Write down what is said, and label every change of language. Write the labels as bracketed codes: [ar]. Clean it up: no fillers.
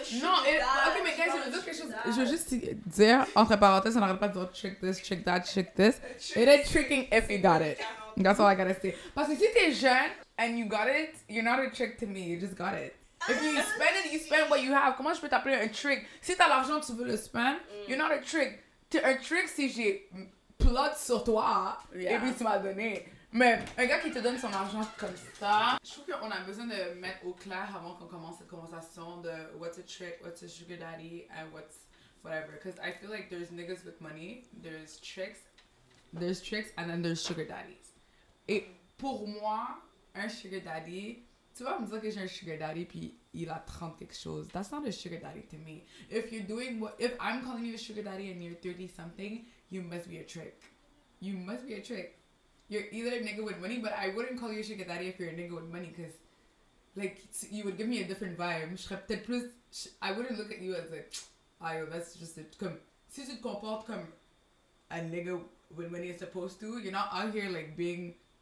[fr] No, okay, mais guys, je veux juste dire, entre parenthèses, on arrête pas de dire [en] trick this, trick that, trick this. It is tricking if you got it. That's all I gotta say. [fr] Parce que si t'es jeune [en] and you got it, you're not a trick to me. You just got it. If you spend it, you spend what you have. [fr] Comment je peux t'appeler un trick? Si t'as l'argent, tu veux le spend. [en] You're not a trick. [fr] T'es un trick si j'ai plot sur toi et puis tu m'as donné. Mais un gars qui te donne son argent comme ça, je trouve qu'on a besoin de mettre au clair avant qu'on commence cette conversation de [en] what's a trick, what's a sugar daddy, and what's whatever. Because I feel like there's niggas with money, there's tricks, and then there's sugar daddies. [fr] Et pour moi, un sugar daddy, tu vas me dire que j'ai un sugar daddy puis il a 30 quelque chose. [en] That's not a sugar daddy to me. If you're doing what, if I'm calling you a sugar daddy and you're 30 something, you must be a trick. You must be a trick. You're either a nigga with money, but I wouldn't call you a sugar daddy if you're a nigga with money, because, like, you would give me a different vibe. [fr] Je serais peut-être plus, [en] I wouldn't look at you as like, ah, yo, that's just a, comme, [fr] si tu te comportes comme [en] a nigga with money is supposed to, you're not out here, like, being